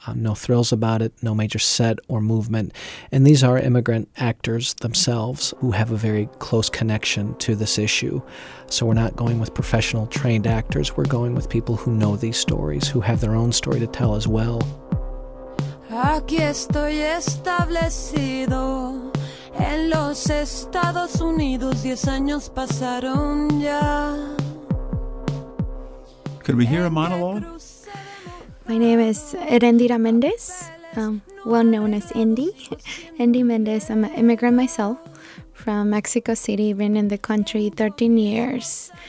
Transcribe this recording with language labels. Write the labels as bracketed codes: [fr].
[en] No thrills about it, no major set or movement. And these are immigrant actors themselves who have a very close connection to this issue. So we're not going with professional trained actors. We're going with people who know these stories, who have their own story to tell as well. [es] Aquí estoy establecido en los Estados Unidos. 10 años pasaron ya. [en] Could we hear a monologue? My name is Erendira Mendez, well known as Indy. Indy Mendez, I'm an immigrant myself from Mexico City, been in the country 13 years.